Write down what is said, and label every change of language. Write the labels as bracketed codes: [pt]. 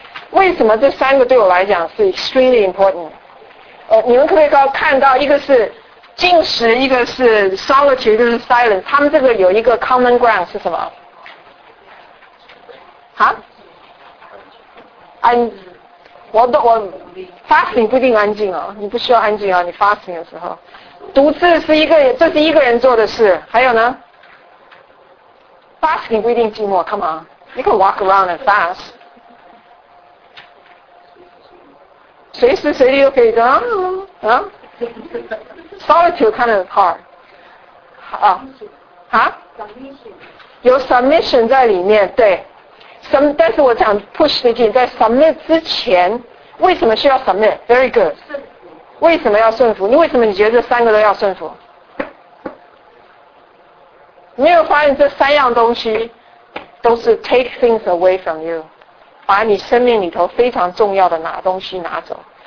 [zh] 为什么这三个对我来讲是 [en] extremely important？ [zh] 你们可不可以看到，一个是禁食，一个是 solitude， 一个是 silence， 他们这个有一个 [en] common ground [zh] 是什么？啊？安我 fasting 不一定安静哦，你不需要安静哦，你 fasting 的时候，独自是一个，这是一个人做的事。还有呢 ，fasting 不一定寂寞 ， [en] come on，you can walk around and fast， [zh] 随时随地都可以的啊啊 ， [en] solitude kind of hard， [zh] 啊啊，有 submission 在里面，对。但是我想 push 的点在 submit 之前，为什么需要 submit? [en] Very good. [zh] 为什么要顺服？你为什么你觉得这三个都要顺服？你有发现这三样东西都是 [en] take things away from you， [zh] 把你生命里头非常重要的拿东西拿走。